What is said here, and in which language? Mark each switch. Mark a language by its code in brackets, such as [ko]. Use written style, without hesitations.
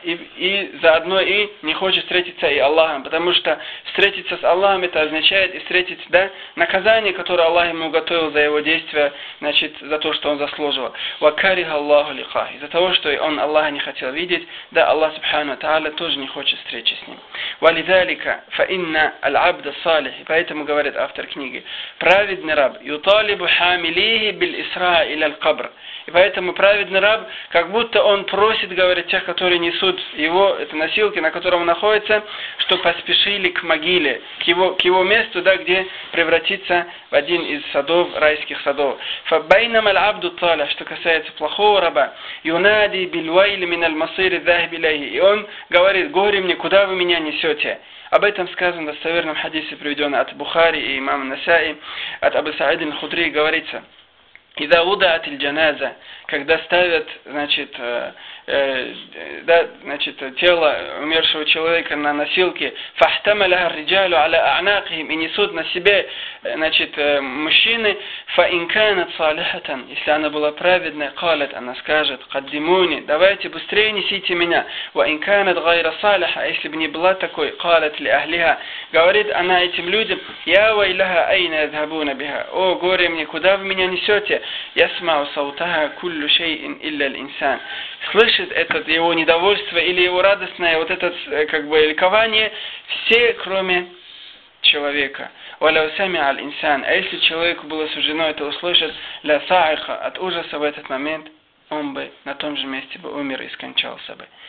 [ru] И заодно и не хочет встретиться и Аллахом, потому что встретиться с Аллахом, это означает и встретить, да, наказание, которое Аллах ему уготовил за его действия, значит, за то, что он заслуживал. [ar] وكره الله لقاء. [ru] Из-за того, что он Аллаха не хотел видеть, да, Аллах Субхану Та'аля тоже не хочет встречи с ним. [ar] ولذلك فإن العبد الصالح, [ru] поэтому говорит автор книги, праведный раб [ar] يطالب حامليه بالإسراء إلى القبر. [ru] И поэтому праведный раб, как будто он просит, говорит, тех, которые несут его, это носилки, на котором он находится, что поспешили к могиле, к его месту, да, где превратится в один из садов, райских садов. [ar] فبينما العبد الصالح, [ru] что касается плохого раба, [ar] ينادي بالويل من المصير الذاهب إليه. [ru] И он говорит, горе мне, куда вы меня несете? Об этом сказано в достоверном хадисе, приведенном от Бухари и имама Насаи, от Абу Саида аль-Худри говорится, [ar] «Иза удаат аль-джаназа», [ru] когда ставят, значит, да, значит, тело умершего человека на носилки, [ar] «фахтама лаха риджалу аля аанакхим», [ru] и несут на себе, значит, мужчины, [ar] «фа инканат салихатан», [ru] если она была праведная, [ar] «калят», [ru] она скажет, [ar] «каддимуни», [ru] давайте быстрее несите меня, [ar] «ва инканат гайра салиха», [ru] если бы не была такой, [ar] «калят ли ахлиха», [ru] говорит она этим людям, [ar] «я вайлаха айна азхабуна биха», [ru] «о горе мне, куда вы меня несете», [ar] يسمع صوتها كل شيء إلا الإنسان. [ru] Слышит это его недовольство или его радостное вот это как бы ликование все кроме человека. [ar] ولو سمع الإنسان, [ru] а если человеку было суждено это услышать, [ar] ля саиха, [ru] от ужаса в этот момент он бы на том же месте бы умер и скончался бы.